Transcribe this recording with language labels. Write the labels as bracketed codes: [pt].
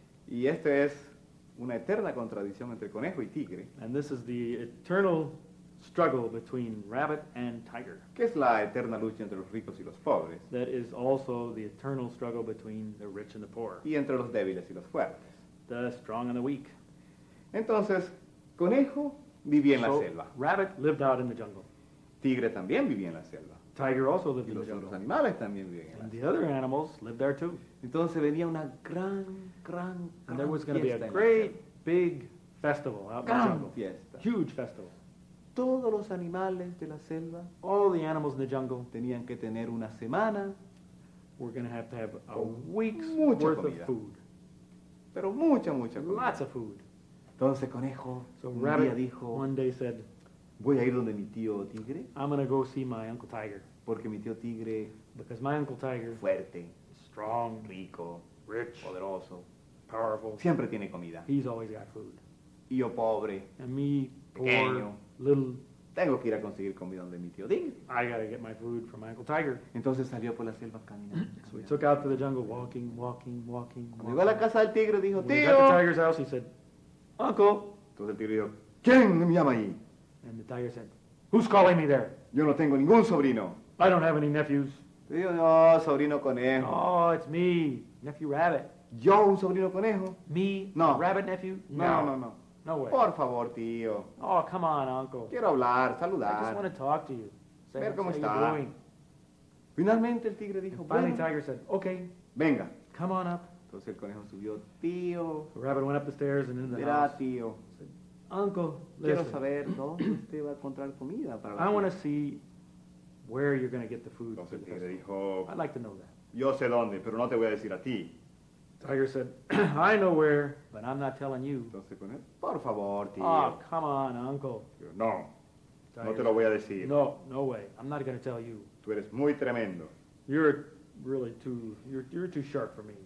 [es] Y esta es una eterna contradicción entre conejo y tigre. [en] And this is the eternal struggle between rabbit and tiger. [es] ¿Qué es la eterna lucha entre los ricos y los pobres? [en] That is also the eternal struggle between the rich and the poor. [es] Y entre los débiles y los fuertes. [en] The strong and the weak. [es] Entonces, conejo... Vivía en [en] so, [es] la selva. [en] Rabbit lived out in the jungle. [es] Tigre también vivía en la selva. [en] Tiger also lived [es] y [en] in the jungle. [es] Los animales también vivían [en] and [es] en la selva. [en] The other animals lived there too. [es] Entonces venía una gran, gran, gran [en] and there was going to be a great big festival out [es] gran [en] in the jungle. [es] Fiesta. [en] Huge festival. [es] todos los animales de la selva, [en] all the animals in the jungle, [es] tenían que tener una semana, [en] we're going to have a week's worth [es] comida. [en] Of food. [es] Pero mucha, mucha comida. [en] Lots of food. [es] Entonces Conejo [en] one day said, [es] voy a ir donde mi tío Tigre. [en] I'm going to go see my Uncle Tiger. [es] Porque mi tío Tigre, [en] because my Uncle Tiger, [es] fuerte, [en] strong, [es] rico, [en] rich, [es] poderoso, [en] powerful, [es] siempre tiene comida. [en] He's always got food. [es] Y yo pobre, [en] and me, [es] pequeño, [en] poor, little, [es] tengo que ir a conseguir comida donde mi tío Tigre. [en] I got to get my food from my Uncle Tiger. [es] Entonces salió por la selva caminando. [en] So he took out to the jungle, walking, walking, walking. [es] Cuando llegó a la casa del tigre, dijo, tío. [en] When he got to the tiger's house, he said, Uncle. [es] Entonces el tigre dijo, ¿quién me llama ahí? [en] And the tiger said, who's calling me there? [es] Yo no tengo ningún sobrino. [en] I don't have any nephews. [es] Dijo, no, sobrino conejo. [en] Oh, it's me, nephew rabbit. [es] Yo, un sobrino conejo. [en] Me, [es] no. [en] Rabbit nephew? [es] No, no, no. [en] No, no way. [es] Por favor, tío. [en] Oh, come on, uncle. [es] Quiero hablar, saludar. [en] I just want to talk to you. Say, [es] ver cómo [en] say [es] está. [en] You're doing. [es] Finalmente el tigre dijo, [en] finally, [es] bueno. [en] Finally, tiger said, okay. [es] Venga. [en] Come on up. [es] Entonces el conejo subió, tío. [en] The rabbit went up the stairs and into the [es] mira, [en] house. [es] Tío. [en] Uncle, [es] quiero saber dónde usted va a encontrar comida para la [en] I want to see where you're going to get the food. [es] Entonces el tigre dijo, [en] I'd like to know that. [es] Yo sé dónde, pero no te voy a decir a ti. [en] Tiger said, I know where, but I'm not telling you. [es] Entonces con él, por favor, tío. [en] Oh, come on, uncle. [es] No, Tiger, no te lo voy a decir. [en] No, no way. I'm not going to tell you. [es] Tú eres muy tremendo. [en] You're really too, you're too sharp for me.